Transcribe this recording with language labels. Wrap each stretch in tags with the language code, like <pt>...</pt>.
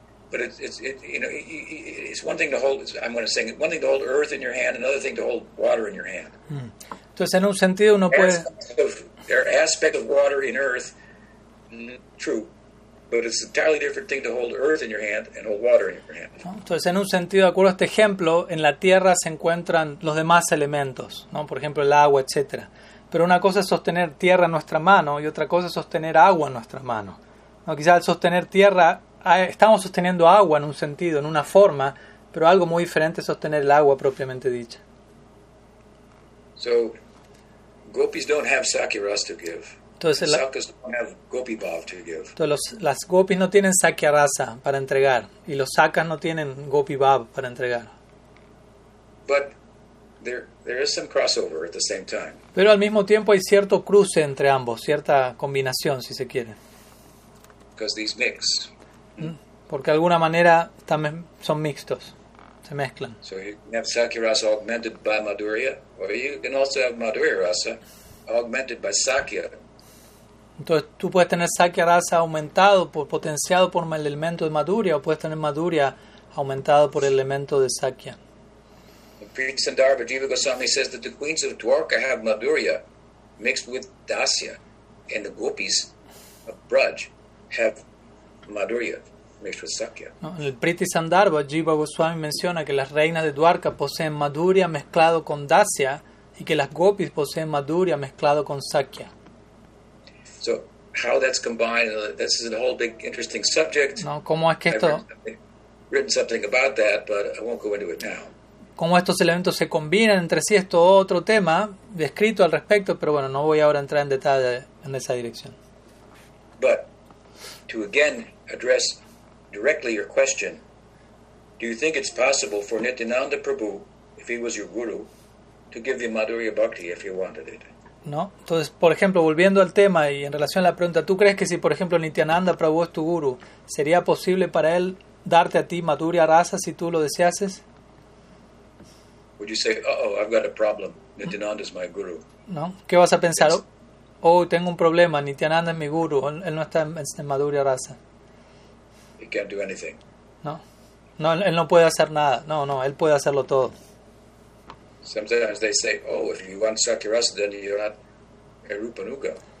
<en>But it's one thing to hold. I'm going to say one thing to hold earth in your hand, another thing to hold water in your hand.</en> <es>Entonces, en un sentido, uno puede.</es> <en>There are aspects of water in earth. True, but it's an entirely different thing to hold earth in your hand and hold water in your hand.</en> <es>Entonces, en un sentido, de acuerdo a este ejemplo, en la tierra se encuentran los demás elementos, ¿no? Por ejemplo, el agua, etcétera. Pero una cosa es sostener tierra en nuestra mano y otra cosa es sostener agua en nuestra mano. No, quizás al sostener tierra estamos sosteniendo agua en un sentido, en una forma, pero algo muy diferente es sostener el agua propiamente dicha.</es> <en>So, gopis don't have Sakya Rasa to give.</en> <es>Entonces,</es> <en>sakyas don't have gopi bhav to give.</en> <es>Entonces, las gopis no tienen Sakya Rasa para entregar, y los sakas no tienen gopi bhav para entregar.</es> <en>But there is some crossover at the same time.</en> <es>Pero al mismo tiempo hay cierto cruce entre ambos, cierta combinación, si se quiere.</es> <en>Because these mix.</en> <es>Porque de alguna manera son mixtos, se mezclan.</es> <en>So you can have Sakya Rasa augmented by Madhurya, or you can also have Madhurya Rasa augmented by Sakya.</en> <es>Entonces tú puedes tener Sakya Rasa aumentado, potenciado por el elemento de Madhurya, o puedes tener Madhurya aumentado por el elemento de Sakya.</es> <en>Prithsandarbha Jiva Goswami says that the queens of Dwarka have Madhurya mixed with Dasya, and the gopis of Braj have Madhurya mixed with Sakya.</en> <es>No, en el Prithisandarbha, Jiva Goswami menciona que las reinas de Dwarka poseen Madhurya mezclado con Dasya y que las gopis poseen Madhurya mezclado con Sakya.</es> <en>So, how that's combined, this is a whole big interesting subject.</en> <es>No, ¿cómo es que esto?</es> <en>I've written something about that, but I won't go into it now.</en> <es>¿Cómo estos elementos se combinan entre sí? Esto es otro tema descrito al respecto, pero bueno, no voy ahora a entrar en detalle en esa dirección.</es> <en>But to again address directly your question, do you think it's possible for Nityananda Prabhu, if he was your guru, to give you Madhurya Bhakti if you wanted it?</en> <es>No. Entonces, por ejemplo, volviendo al tema y en relación a la pregunta, ¿tú crees que si, por ejemplo, Nityananda Prabhu es tu guru, sería posible para él darte a ti Madhurya Rasa si tú lo deseases?</es> <en>Would you say, uh-oh, I've got a problem, Nityananda is my guru?</en> <es>No. ¿Qué vas a pensar?</es> <en>It's, oh,</en> <es>tengo un problema, Nityananda es mi guru, él no está en Madhurya Rasa.</es> <en>He can't do anything.</en> <es>No, él no puede hacer nada, no, él puede hacerlo todo.</es> <en>Sometimes they say, "Oh, if you want Sakya Rasa, then you're not a Rupanuga."</en>